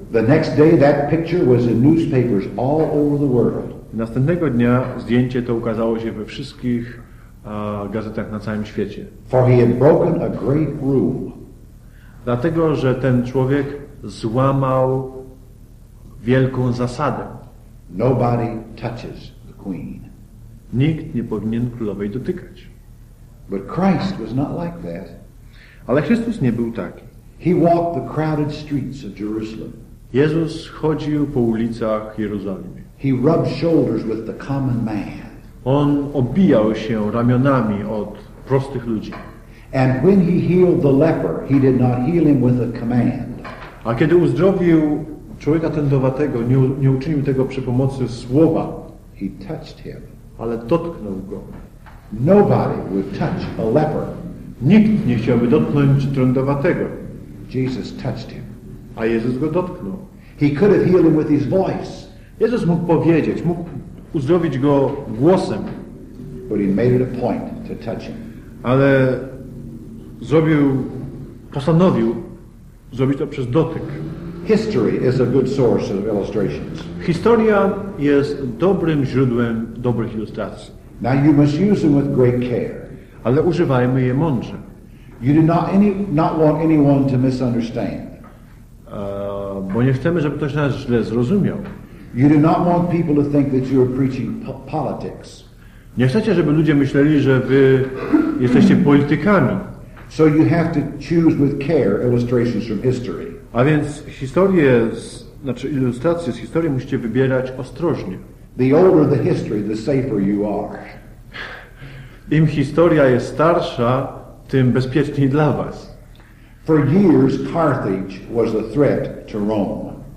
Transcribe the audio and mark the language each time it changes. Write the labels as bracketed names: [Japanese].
[English] The next day that picture was in newspapers all over the world. [Polish] Następnego dnia zdjęcie to ukazało się we wszystkich gazetach na całym świecie. [English] For he had broken a great rule. [Polish] Dlatego, że ten człowiek złamał wielką zasadę. [English] Nobody touches the queen. [Polish] Nikt nie powinien królowej dotykać. [English] But Christ was not like that. [Polish] Ale Chrystus nie był taki. [English] He walked the crowded streets of Jerusalem. [Polish] Jezus chodził po ulicach Jerozolimy. [English] He rubbed shoulders with the common man. [Polish] On obijał się ramionami od prostych ludzi. [English] And when he healed the leper, he did not heal him with a command. [Polish] A kiedy uzdrowił człowieka tędowatego, nie uczynił tego przy pomocy słowa. [English] He touched him. [Polish] Ale dotknął go. [English] Nobody would touch a leper. [Polish] Nikt nie chciałby dotknąć trędowatego. [English] Jesus touched him. [Polish] A Jezus go dotknął. [English] He could have healed him with his voice. [Polish] Jezus mógł powiedzieć, mógł uzdrowić go głosem. [English] But he made it a point to touch him. [Polish] Ale zrobił, postanowił zrobić to przez dotyk. [English] History is a good source of illustrations. [Polish] Historia jest dobrym źródłem dobrych ilustracji. [English] Now you must use them with great care. [Polish] Ale używajmy je mądrze. [English] You do not want anyone to misunderstand. [Polish] Bo nie chcemy, żeby ktoś nas źle zrozumiał. [English] You do not want people to think that you are preaching politics. [Polish] Nie chcecie, żeby ludzie myśleli, że wy jesteście politykami. [English] So you have to choose with care illustrations from history. [Polish] A więc historię, znaczy ilustracje z historii musicie wybierać ostrożnie. [English] The older the history, the safer you are. [Polish] Im historia jest starsza, tym bezpieczniej dla was. [English] For years, Carthage was a threat to Rome.